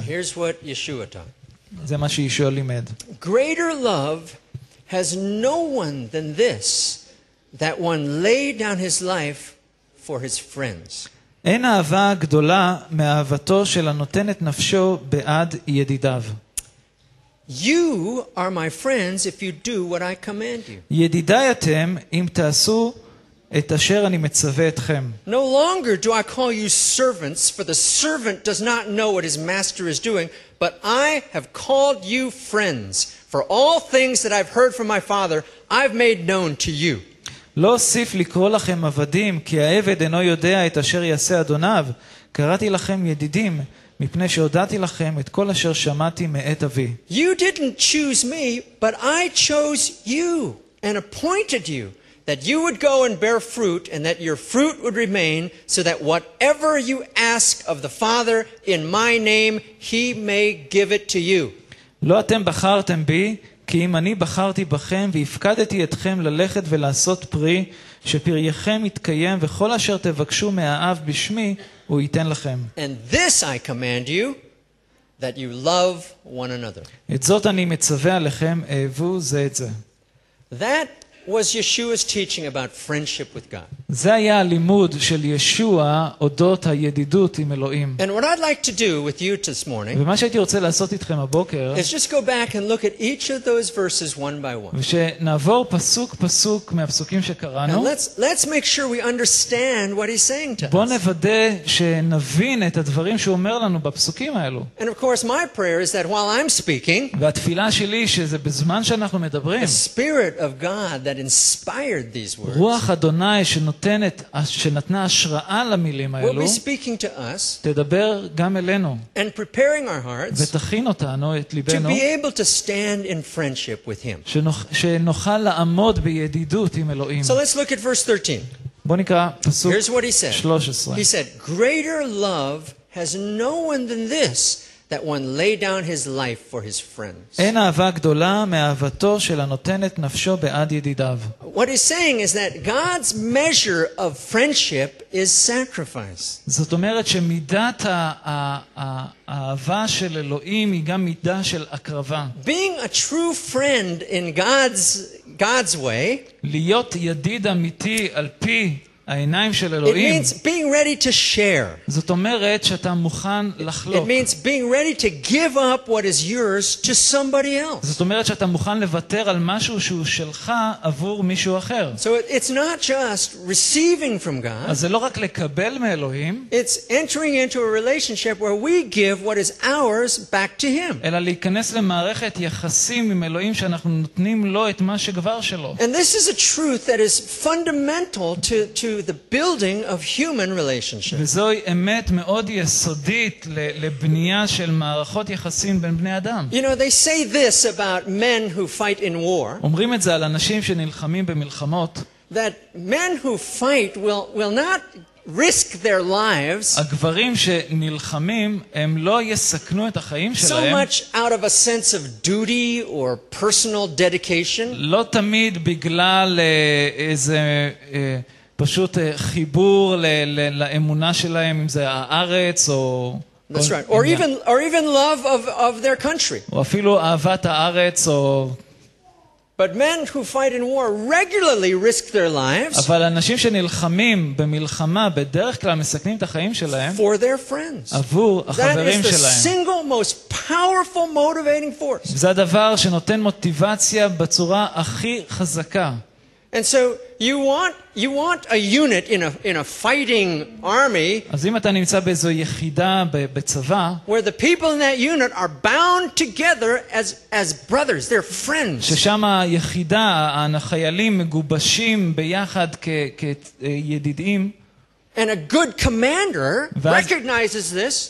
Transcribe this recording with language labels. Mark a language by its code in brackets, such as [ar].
[en] Here's what Yeshua taught. [he] זה מה שישוע לימד. [en] Greater love has no one than this, that one lay down his life for his friends. [he] אין אהבה גדולה מאהבתו של הנותן את נפשו בעד ידידיו. [en] You are my friends if you do what I command you. [he] ידידיי אתם אם תעשו את אשר אני מצווה אתכם. [en] No longer do I call you servants, for the servant does not know what his master is doing, but I have called you friends, for all things that I've heard from my father I've made known to you. [he] לא אוסיף לקרוא לכם עבדים, כי העבד אינו יודע את אשר יעשה אדוניו. קראתי לכם ידידים, מפני שהודעתי לכם את כל אשר שמעתי מאת אבי. [en] You didn't choose me, but I chose you and appointed you that you would go and bear fruit and that your fruit would remain, so that whatever you ask of the Father in my name, he may give it to you. [he] לא אתם בחרתם בי, כי אם אני בחרתי בכם והפקדתי אתכם ללכת ולעשות פרי, שפרייכם יתקיים וכל אשר תבקשו מהאב בשמי הוא ייתן לכם. [en] And this I command you, that you love one another. [he] את זאת אני מצווה עליכם, אהבו זה את זה. [en] That was Yeshua's teaching about friendship with God. [he] זה היה הלימוד של ישוע אודות הידידות עם אלוהים. [en] And what I'd like to do with you this morning, [he] ומה שהייתי רוצה לעשות איתכם הבוקר, [en] is just go back and look at each of those verses one by one. [he] ושנעבור פסוק פסוק מהפסוקים שקראנו. [en] And let's make sure we understand what he's saying to us. [he] בוא נוודא שנבין את הדברים שהוא אומר לנו בפסוקים האלו. [en] And of course my prayer is that while I'm speaking, [he] והתפילה שלי שזה בזמן שאנחנו מדברים, [en] the spirit of God that inspired these words, [he] רוח אדוני שנתנה השראה למילים האלו, [en] will be speaking to us, [he] תדבר גם אלינו, [en] and preparing our hearts, [he] ותכין אותנו, את ליבנו, [en] to be able to stand in friendship with him. [he] שנוכל לעמוד בידידות עם אלוהים. [en] So let's look at verse 13. [he] בוא נקרא פסוק. [en] Here's what he said. [he] 13. [en] He said, greater love has no one than this, that one lay down his life for his friends. [he] אין אהבה גדולה מאהבתו של הנותן את נפשו בעד ידידיו. [en] What he's saying is that God's measure of friendship is sacrifice. [he] זאת אומרת שמידת האהבה של אלוהים היא גם מידה של הקרבה. [en] Being a true friend in God's way, [he] להיות ידיד אמיתי על פי העיניים של אלוהים. [en] It means being ready to share. [he] זאת אומרת שאתה מוכן לחלוק. [en] It means being ready to give up what is yours to somebody else. [he] זאת אומרת שאתה מוכן לוותר על משהו שהוא שלך עבור מישהו אחר. [en] So it's not just receiving from God. [he] אז זה לא רק לקבל מאלוהים. [en] It's entering into a relationship where we give what is ours back to him. [he] אלא להיכנס למערכת יחסים עם אלוהים שאנחנו נותנים לו את מה שכבר שלו. [en] And this is a truth that is fundamental to the building of human relationships. [he] וזוהי אמת מאוד יסודית לבנייה של מערכות יחסים בין בני אדם. [en] You know, they say this about men who fight in war. [he] אומרים את זה על אנשים שנלחמים במלחמות. [en] That men who fight will not risk their lives. [he] הגברים שנלחמים הם לא יסכנו את החיים שלהם. [en] So much out of a sense of duty or personal dedication. [he] לא תמיד בגלל איזה פשוט חיבור לאמונה שלהם, אם זה הארץ או [en] That's right. Or even love of their country. [he] או אפילו אהבת הארץ או [en] But men who fight in war regularly risk their lives. [he] אבל אנשים שנלחמים במלחמה בדרך כלל מסכנים את החיים שלהם. [en] For their friends. [he] עבור החברים שלהם. [en] That is the single most powerful motivating force. [he] זה הדבר שנותן מוטיבציה בצורה הכי חזקה. [en] And so you want a unit in a fighting army. [he] אז אם אתה נמצא באיזו יחידה בצבא, [en] where the people in that unit are bound together as brothers, they're friends. [he] ששם היחידה, החיילים מגובשים ביחד כידידים. [en] And a good commander recognizes this.